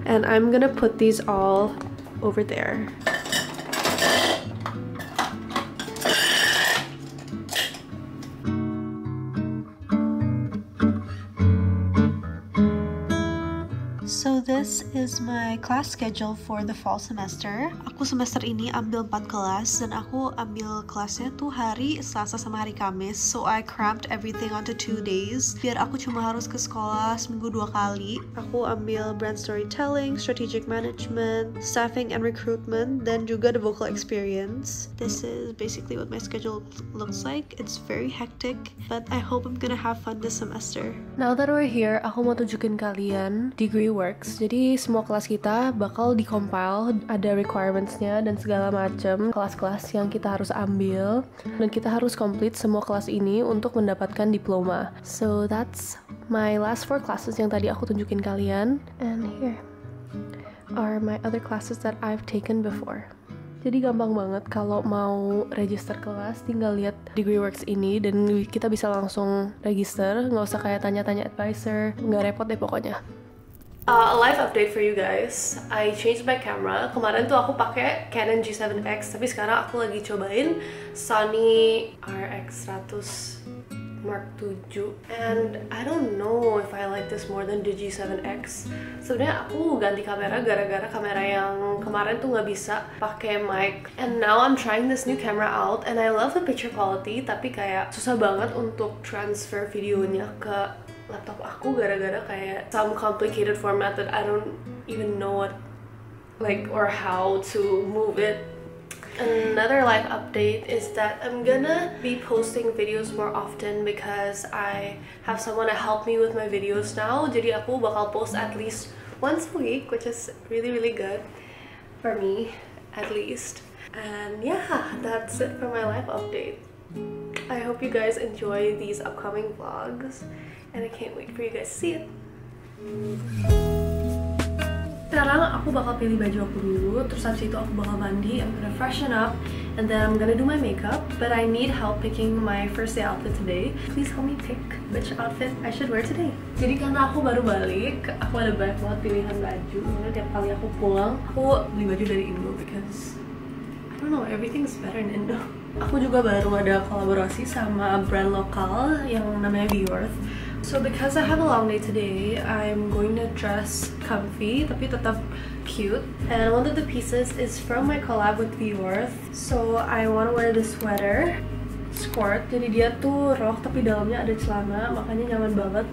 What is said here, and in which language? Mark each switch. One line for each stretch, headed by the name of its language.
English: And I'm gonna put these all over there. So this is my class schedule for the fall semester.
Indonesian: Aku semester ini ambil 4 kelas dan aku ambil kelasnya tuh hari Selasa sama hari Kamis. So I cramped everything onto 2 days biar aku cuma harus ke sekolah seminggu 2 kali. Aku ambil brand storytelling, strategic management, staffing and recruitment, dan juga the vocal experience.
English: This is basically what my schedule looks like. It's very hectic, but I hope I'm gonna have fun this semester. Now that we're here,
Indonesian: aku mau tunjukin kalian degree works. Jadi semua kelas kita bakal dicompile, ada requirements-nya dan segala macam kelas-kelas yang kita harus ambil dan kita harus complete semua kelas ini untuk mendapatkan diploma.
English: So that's my last 4 classes
Indonesian: yang tadi aku tunjukin kalian,
English: and here are my other classes that I've taken before.
Indonesian: Jadi gampang banget kalau mau register kelas, tinggal lihat degree works ini dan kita bisa langsung register, nggak usah kayak tanya-tanya advisor, nggak repot deh pokoknya.
English: A life update for you guys. I changed my camera.
Indonesian: Kemarin tuh aku pakai Canon G7X, tapi sekarang aku lagi cobain Sony RX100 Mark 7.
English: And I don't know if I like this more than the G7X.
Indonesian: Sebenarnya aku ganti kamera gara-gara kamera yang kemarin tuh nggak bisa pakai mic.
English: And now I'm trying this new camera out and I love the picture quality,
Indonesian: tapi kayak susah banget untuk transfer videonya ke laptop aku gara-gara kayak
English: some complicated format that I don't even know what, like, or how to move it. Another life update is that I'm gonna be posting videos more often because I have someone to help me with my videos now.
Indonesian: Jadi aku bakal
English: post at least once a week, which is really, really good for me, at least. And yeah, that's it for my life update. I hope you guys enjoy these upcoming vlogs. And I can't wait for you guys to see it.
Indonesian: Sekarang aku bakal pilih baju aku dulu, terus habis itu aku bakal mandi,
English: I'm gonna freshen up, and then I'm gonna do my makeup. But I need help picking my first day outfit today. Please help me pick which outfit I should wear today.
Indonesian: Jadi karena aku baru balik, aku ada banyak banget pilihan baju. Karena tiap kali aku pulang, aku beli baju dari Indo
English: because I don't know, everything is better in Indo.
Indonesian: Aku juga baru ada kolaborasi sama brand lokal yang namanya Viorth.
English: So because I have a long day today, I'm going to dress comfy,
Indonesian: tapi tetap cute.
English: And one of the pieces is from my collab with Viorth. So I want to wear this sweater, skort.
Indonesian: Jadi dia tuh rok tapi dalamnya ada celana, makanya nyaman banget.